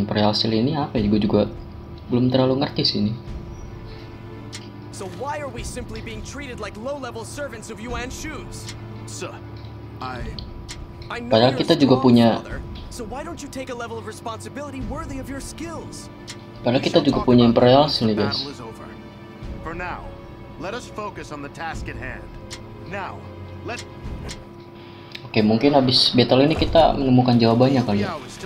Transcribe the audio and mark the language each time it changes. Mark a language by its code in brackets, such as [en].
[id] Imperial Seal ini apa ya? Gue juga belum terlalu ngerti sih ini. [en] So why are we simply being treated like low-level servants of Yuan Shu's? Sir, I know you're a strong father, so why don't you take a level of responsibility worthy of your skills? [id] Padahal kita juga punya Imperial Seal nih, guys. [en] For now, let us focus on the task at hand. Now, let... [id] Oke, mungkin habis battle ini kita menemukan jawabannya kali ya.